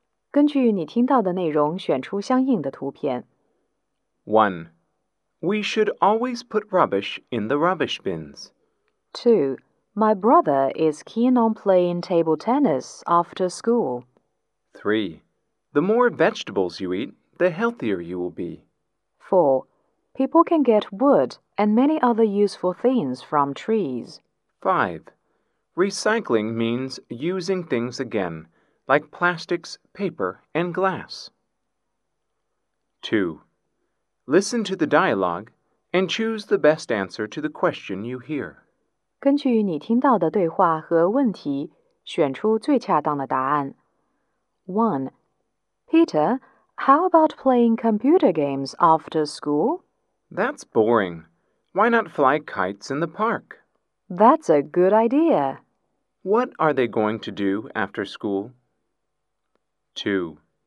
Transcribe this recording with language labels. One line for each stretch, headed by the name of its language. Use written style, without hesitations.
Chinese: 根据你听到的内容选出相应的图片。 1.
English: We should always put rubbish in the rubbish bins. 2. My brother is keen on playing table tennis after school. 3. The more vegetables you eat,the healthier you will be. 4. People can get wood and many other useful things from trees. 5. Recycling means using things again, like plastics, paper, and glass. 2. Listen to the dialogue and choose the best answer to the question you hear.
Chinese: 根据你听到的对话和问题，选出最恰当的答案。 1.
English: Peter,How about playing computer games after school? That's boring. Why not fly kites in the park? That's a good idea. What are they going to do after school? 2.